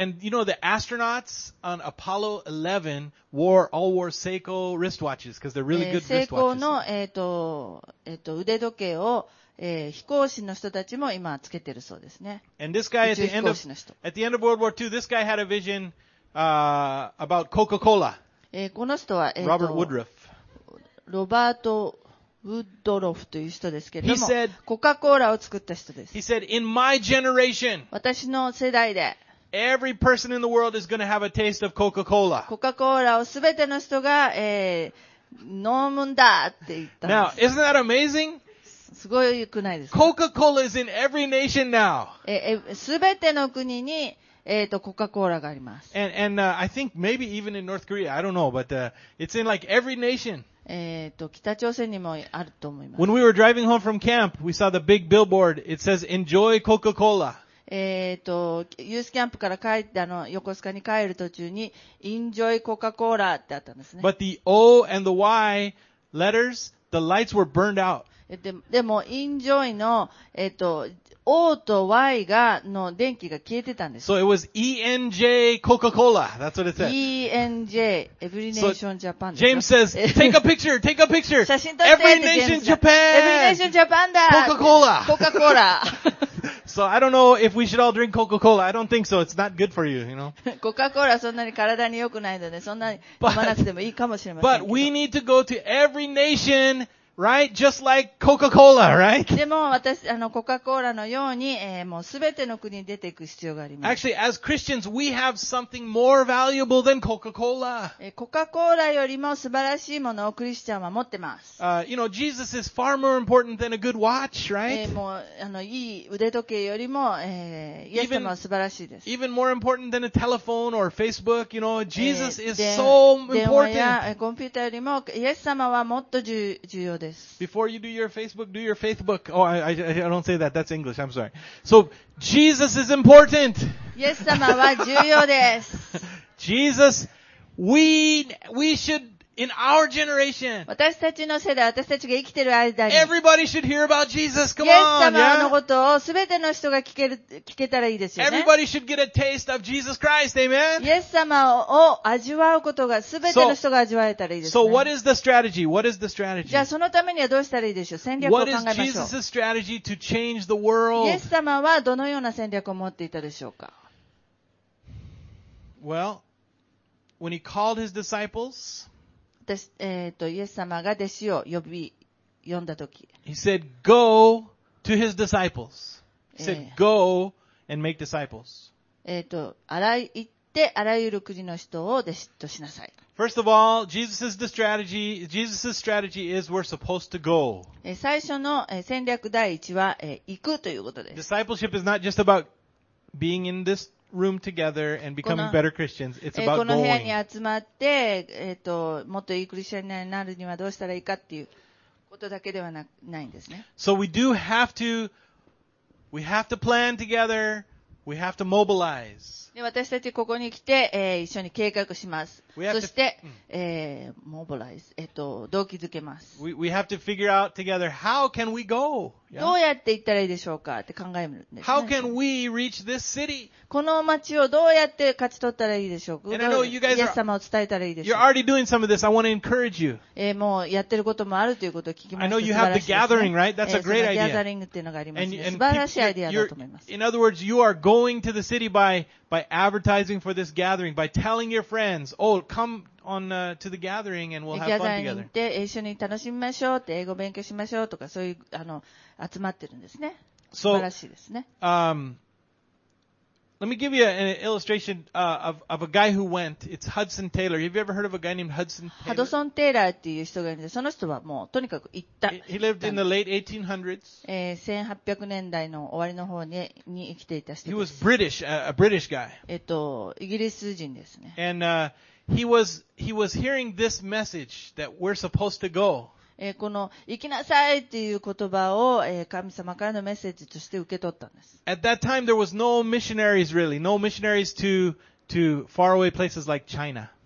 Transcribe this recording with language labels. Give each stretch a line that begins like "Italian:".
English: And you know, the astronauts on Apollo 11 all wore Seiko wristwatches because they're really good wristwatches.
Japanese: 精巧の、腕時計を飛行士の人たちも今つけてるそうですね。
English: And this guy at the end of World War II, this guy had a vision, about Coca-Cola.
Japanese: この人は、
English: Robert Woodruff.
Japanese: ロバート・ウッドロフという人ですけれども、コカ・コーラを作った人です。
English: He said, in my generation,
Japanese: 私の世代で、
English: every person in the world is going to have a taste of Coca-Cola.
Japanese: コカ・コーラをすべての人が、飲むんだって言ったんです。
English: Now, isn't that amazing?
Japanese: すごいくないですか?
English: Coca-Cola is in every nation now.
Japanese: すべての国に、コカ・コーラがあります。
English: And I think maybe even in North Korea, I don't know, but, it's in like every nation.
Japanese: 北朝鮮にもあると思います。
English: When we were driving home from camp, we saw the big billboard. It says, enjoy Coca-Cola.
Japanese: ユースキャンプから帰って、横須賀に帰る途中に、
English: enjoy Coca-Cola
Japanese: ってあったんですね。
English: But the O and the Y letters, the lights were burned out.
Japanese: でも、enjoy の、O と Y が、の電気が消えてたんです。
English: So it was ENJ Coca-Cola. That's what it said. ENJ, Every Nation Japan. James says, take a picture.
Japanese: 写真撮って
English: Every Nation Japan! Every Nation Japan だ Coca-Cola! Coca-Cola! So I don't know if we should all drink Coca-Cola. I don't think so. It's not good for you, you know?
Japanese: Coca-Cola そんなに体に良くないので、そんなに飲まなくてもいいかもしれません。
English: But we need to go to every nation,Right? Just like Coca-Cola, right?
Japanese: でも私、コカ・コーラのように、もうすべての国に出ていく必要があります。
English: Actually, as Christians, we have something more valuable than Coca-Cola.
Japanese: コカ・コーラよりも素晴らしいものをクリスチャンは持ってます。
English: You know, Jesus is far more important than a good watch, right?
Japanese: もう、いい腕時計よりも、イエス様は素晴らしいです。
English: Even more important than a telephone or Facebook, you know, Jesus is so important.
Japanese: 電話やコンピューターよりも、イエス様はもっと重要
English: Before you do your faith book. Oh, I don't say that. That's English. I'm sorry. So, Jesus is important.
Japanese: Yes, 様は重要です。
English: Jesus, we should, in our generation,
Japanese: 私たちの世代、私たちが生きてる間に、
English: everybody should hear about Jesus. Come on, yeah?
Japanese: イエス様のことを全ての人が聞けたらいいですよね。
English: Everybody should get a taste of Jesus Christ. Amen?
Japanese: イエス様を味わうことが全ての人が味わえたらいいですね。
English: So what is the strategy? What is the strategy?
Japanese: じゃあそのためにはどうしたらいいでしょう戦略を考えましょう。
English: What is Jesus' strategy to change the world?
Japanese: イエス様はどのような戦略を持っていたでしょうか
English: Well, when he called his disciples,
Japanese: イエス様が弟子を呼んだとき。
English: He said, go to his disciples. He said, go and make disciples.
Japanese: あらい、行っってあらゆる国の人を弟子としなさい。
English: First of all, Jesus' strategy is we're supposed to go.
Japanese: 最初の戦略第一は行くということです。
English: Discipleship is not just about being in this room together and becoming better Christians. It's about going.
Japanese: この部屋に集まって、もっといいクリスチャンになるにはどうしたらいいかっていうことだけではないんですね。
English: So we have to plan together. We have to mobilize.
Japanese: で私たちここに来て、一緒に計画します。そして、モビライズ、動機づけます。
English: We have to figure out together how can we go?
Japanese: どうやって行ったらいいでしょうかって考えるんですね。
English: How can we reach this city?
Japanese: この街をどうやって勝ち取ったらいいでしょうか。
English: And I know you guys are,
Japanese: イエス様を伝えたらいいでしょうか。
English: You're already doing some of this. I want to encourage you.
Japanese: もうやってることもあるということを聞きました。
English: I know you have the gathering, right? That's a great idea.
Japanese: そのギャザリングっていうのがありますね。素晴らしいアイデアだと思います。
English: In other words, you are going to the city by advertising for this gathering, by telling your friends, oh, come on, to the gathering and we'll have fun together.
Japanese: 一緒に楽しみましょうって、英語勉強しましょうとか、そういう、集まってるんですね。
English: So,
Japanese: 素晴らしいですね。
English: Let me give you an illustration, of a guy who went. It's Hudson Taylor. Have you ever heard of a guy named Hudson Taylor?
Japanese: ハドソン・テイラーっていう人がいるんで、その人はもうとにかく行った。
English: He lived in the late 1800s.
Japanese: 1800年代の終わりの方に生きていた人です。
English: He was British, a British guy.
Japanese: イギリス人ですね。
English: And, he was hearing this message that we're supposed to go.
Japanese: この行きなさいっていう言葉を神様からのメッセージとして受け取ったんです。
English: At that time there was no missionaries really, no missionaries to faraway places like China.